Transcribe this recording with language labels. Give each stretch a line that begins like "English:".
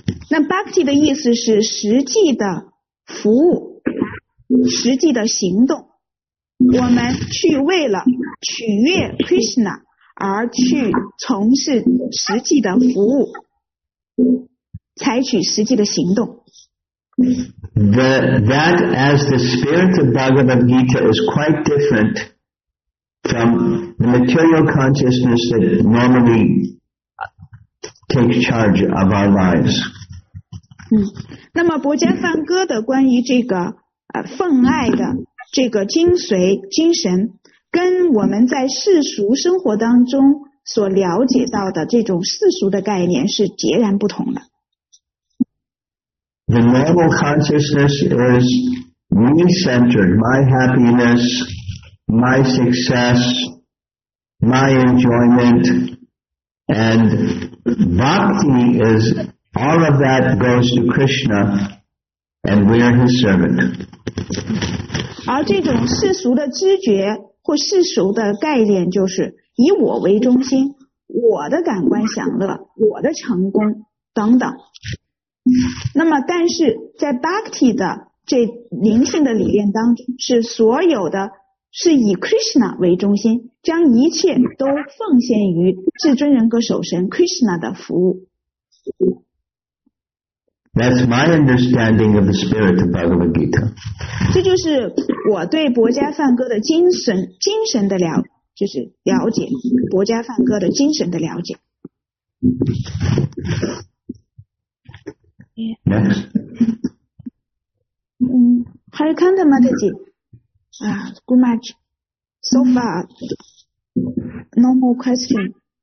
Chinese: 那 bhakti 的意思是实际的服务，实际的行动，我们去为了取悦 Krishna 而去从事实际的服务，采取实际的行动。
English: That as the spirit of Bhagavad Gita is quite different from the material consciousness that normally takes charge of our lives.
Chinese: 那么博伽梵歌的关于这个奉爱的这个精髓精神，跟我们在世俗生活当中所了解到的这种世俗的概念是截然不同的。
English: The normal consciousness is me-centered, my happiness, my success, my enjoyment, and bhakti is all of that goes to Krishna, and we are his servant.
Chinese: 而这种世俗的知觉或世俗的概念就是以我为中心，我的感官享乐，我的成功等等。那么但是在 Bhakti 的这灵性的理念当中，是所有的是以 Krishna 为中心，将一切都奉献于至尊人格首神 Krishna 的服务。
English: That's my understanding of the spirit of Bhagavad Gita.
Chinese: 这就是我对博伽梵歌的精神的了解，就是了解博伽梵歌的精神的了解。
English: Next. Hare Kanda Mataji. Gumaji. So far, no more question.